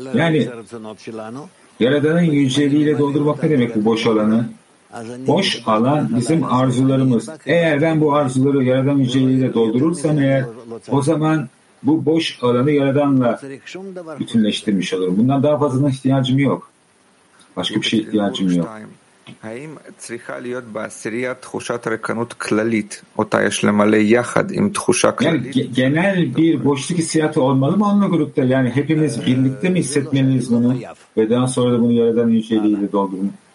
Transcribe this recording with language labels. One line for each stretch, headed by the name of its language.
Turkish: Yani Yaradan'ın yüceliğiyle doldurmak ne demek bu boş alanı? Boş alan bizim arzularımız. Eğer ben bu arzuları Yaradan yüceliğiyle doldurursam eğer, o zaman bu boş alanı Yaradan'la bütünleştirmiş olurum. Bundan daha fazla ihtiyacım yok. Başka bir şeye ihtiyacım yok.
Hebrew: האם צריכה להיות בעשירייה תחושת רקנות כללית אותה יש למלא יחד עם תחושה כללית?
Turkish: Yani genel bir boşluk hissiyatı olmalı mı onunla grupta? Yani hepimiz birlikte mi hissetmeliyiz bunu? Ve daha sonra da bunu Yaradan yüceliğiyle doldurmak.